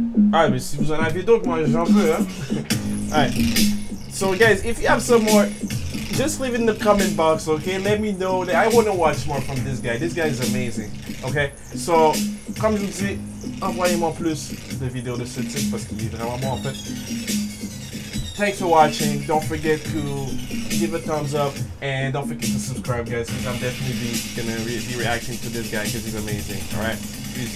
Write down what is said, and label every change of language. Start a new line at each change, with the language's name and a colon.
French: Alright, mais si vous en avez d'autres, moi j'en veux, hein.
English: Alright. So, guys, if you have some more, just leave it in the comment box, okay? Let me know. That I want to watch more from this guy. This guy is amazing, okay?
French: So, comme je vous dis, envoyez-moi plus de vidéos de ce type parce qu'il est vraiment bon, en fait.
English: Thanks for watching. Don't forget to give a thumbs up and don't forget to subscribe, guys, because I'm definitely gonna be reacting to this guy because he's amazing, alright? Peace.